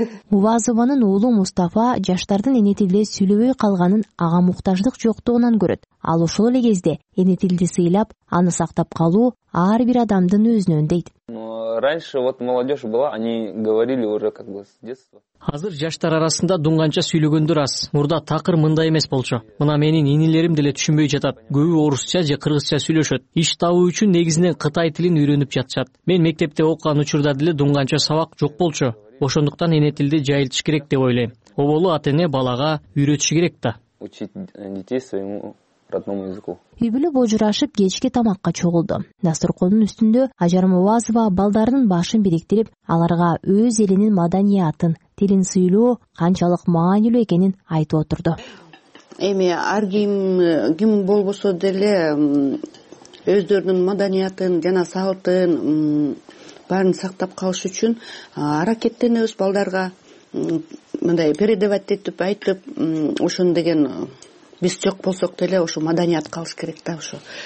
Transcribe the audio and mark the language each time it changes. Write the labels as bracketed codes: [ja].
[ky] Увазованын уулу Мустафа жаштардын эне тилде сүйлөбөй калганын ага муктаждык жоктугунан көрөт. Ал ошол эле кезде эне тилди сыйлап, аны сактап калуу ар бир адамдын өзүнөн дейт. [ru] Раньше вот молодежь была, они говорили уже как бы с детства. [ky] Азыр жаштар арасында дунганча сүйлөгөндөр аз. Мурда такыр мындай эмес болчу. Мына менин инилерим деле түшүнбөй жатат. Көбү орусча же кыргызча сүйлөшөт. Иш табуу үчүн негизинен Кытай тилин үйрөнүп жатышат. Мен мектепте окуган учурда деле дунганча сабак жок болчу. Ошондуктан эне тилди жайылтыш керек деп ойлойм. Оболу ата-эне балага үйрөтүш керек да. [ru] Учить детей своему родному языку. [ky] Үй бүлө божурашып кечке тамакка чогулду. Дасторкондун үстүндө Ажарма Уазова балдарынын башын бириктирип, аларга өз элинин маданиятын, тилин сүйлөө канчалык маанилүү экенин айтып отурду. Эми ар ким болбосо деле өздөрүнүн маданиятын жана салтын баарын сактап калыш үчүн аракеттенебиз балдарга мындай передавать этип айтып ошону деген биз жок болсок деле ошо маданият калыш керек да ошо.